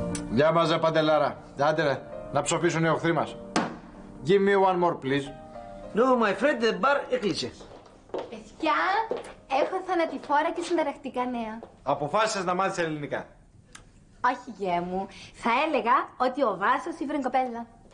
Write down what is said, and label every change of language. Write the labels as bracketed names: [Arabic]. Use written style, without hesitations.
[Greek] Διάβαζε, Παντελάρα. Άντε, ρε, να ψοφήσουν οι οχθροί μας. [English] Give me one more, please. No, my friend, the bar [Greek] έκλεισε. Παιδιά, έχω θανατηφόρα και συνταρακτικά νέα. Αποφάσισες να μάθεις ελληνικά. Όχι, γιέ μου. Θα έλεγα ότι ο Βάσος ήβρε κοπέλα.